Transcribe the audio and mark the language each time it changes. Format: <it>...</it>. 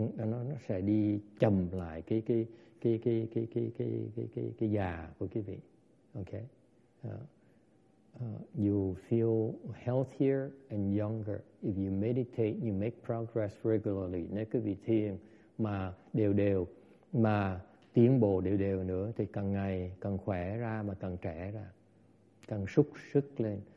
<vi>Nó sẽ đi chậm lại cái già của quý vị.</vi> <en>Okay. You feel healthier and younger if you meditate. You make progress regularly.</en> <vi>Nếu quý vị thiền mà đều đều, mà tiến bộ đều đều nữa, thì càng ngày càng khỏe ra, mà càng trẻ ra, càng sức sức lên.</vi>